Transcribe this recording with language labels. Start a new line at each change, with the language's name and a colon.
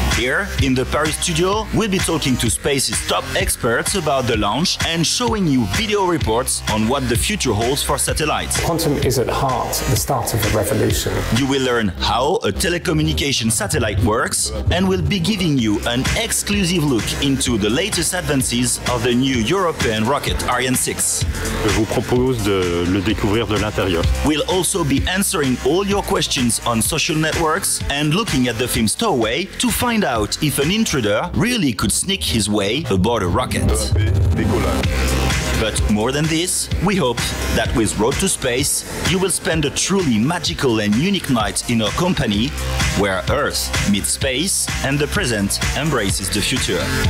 English: Here in the Paris studio, we'll be talking to space's top experts about the launch and showing you video reports on what the future holds for satellites. Quantum is at heart the start of a revolution. You will learn how a telecommunication satellite works, and we'll be giving you an exclusive look into the latest advances of the new European rocket Ariane 6.
French: Je vous propose de le découvrir de l'intérieur.
English: We'll also be answering all your questions on social networks and looking at the film Stowaway to find out if an intruder really could sneak his way aboard a rocket. But more than this, we hope that with Road to Space, you will spend a truly magical and unique night in our company, where Earth meets space and the present embraces the future.